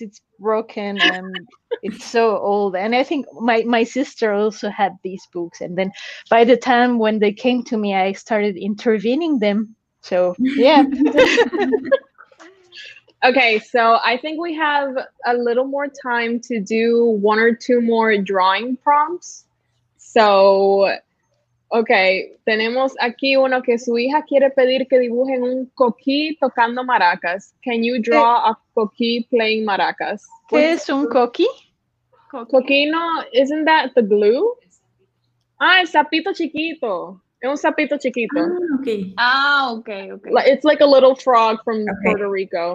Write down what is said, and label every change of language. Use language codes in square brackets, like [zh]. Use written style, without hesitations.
[en] It's broken and it's so old, and I think my sister also had these books, and then by the time when they came to me, I started intervening them, so yeah. Okay, so I think we have a little more time to do one or two more drawing prompts. So okay, [es] tenemos aquí uno que su hija quiere pedir que dibujen un coquí tocando maracas. [en] Can you draw a coquí playing maracas? [es] ¿Qué es un coquí? [en] Coquino, isn't that the glue? [es] Ah, el sapito chiquito. Es un sapito chiquito. [en] Ah, okay. It's like a little frog from Puerto Rico.